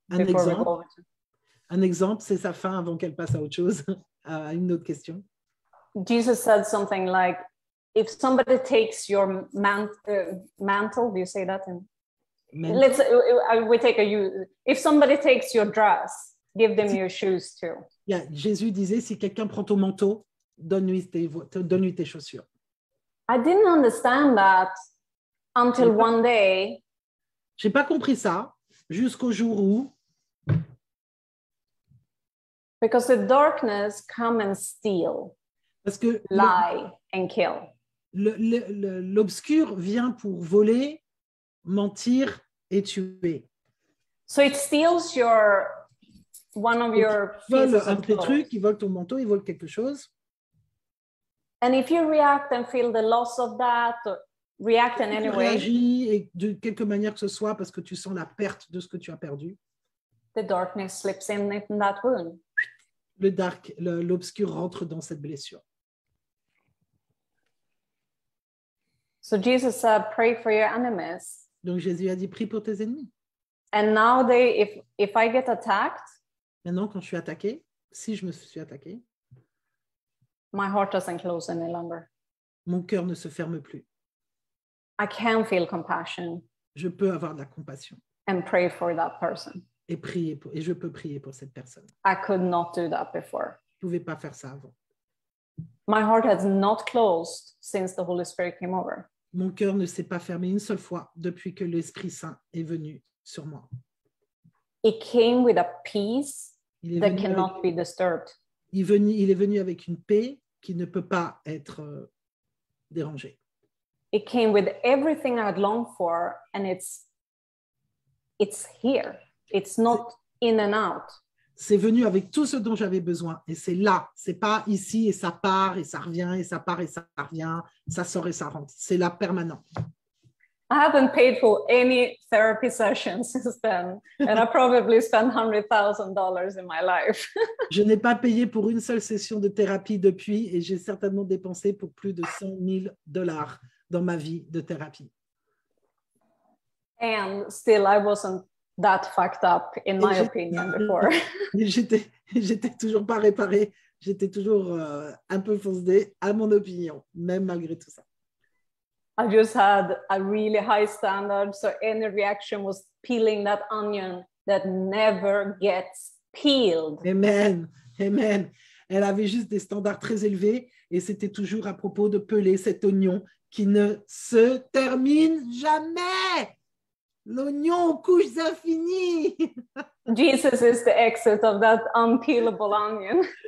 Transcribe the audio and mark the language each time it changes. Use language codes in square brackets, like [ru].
[fr] Un exemple, c'est sa fin avant qu'elle passe à autre chose, à une autre question. [en] Jesus said something like, if somebody takes your mantle, do you say that? If somebody takes your dress, give them your shoes too. [fr] Yeah, Jésus disait, si quelqu'un prend ton manteau, donne-lui tes chaussures. [en] I didn't understand that until one day. [fr] J'ai pas compris ça jusqu'au jour où. [en] Because the darkness come and steal. [fr] Parce que [en] lie and kill. [fr] L'obscur vient pour voler, mentir et tuer. [en] So it steals your one of your pieces of clothes. [fr] Il vole ton manteau, il vole quelque chose. [en] And if you react and feel the loss of that, react in any way. [fr] Réagis et de quelque manière que ce soit parce que tu sens la perte de ce que tu as perdu. [en] The darkness slips in that wound. [fr] L'obscur rentre dans cette blessure. [en] So Jesus said, "Pray for your enemies." [fr] Donc Jésus a dit, prie pour tes ennemis. [en] And now they, if I get attacked. [fr] Maintenant, quand je suis attaqué, si je me suis attaqué. [en] My heart doesn't close any longer. [fr] Mon cœur ne se ferme plus. [en] I can feel compassion. [fr] Je peux avoir de la compassion. [en] And pray for that person. [fr] Et je peux prier pour cette personne. [en] I could not do that before. [fr] Je pouvais pas faire ça avant. [en] My heart has not closed since the Holy Spirit came over. [fr] Mon cœur ne s'est pas fermé une seule fois depuis que l'Esprit Saint est venu sur moi. [en] It came with a peace that cannot be disturbed. [fr] Il est venu avec une paix qui ne peut pas être dérangée. [en] It came with everything I'd long for, and it's here. It's not in and out. [fr] C'est venu avec tout ce dont j'avais besoin, et c'est là. C'est pas ici et ça part et ça revient et ça part et ça revient, ça sort et ça rentre. C'est là permanent. [en] I haven't paid for any therapy sessions since then, and I probably spent $100,000 in my life. [fr] Je n'ai pas payé pour une seule session de thérapie depuis, et j'ai certainement dépensé pour plus de $100,000 dans ma vie de thérapie. [en] And still, I wasn't that fucked up, in my opinion, before. [fr] J'étais toujours pas réparée. J'étais toujours un peu foncedée, à mon opinion, même malgré tout ça. [en] I just had a really high standard, so any reaction was peeling that onion that never gets peeled. Amen, amen. [fr] Elle avait juste des standards très élevés, et c'était toujours à propos de peler cet oignon qui ne se termine jamais. L'oignon aux couches infinies. [en] Jesus is the exit of that unpeelable onion.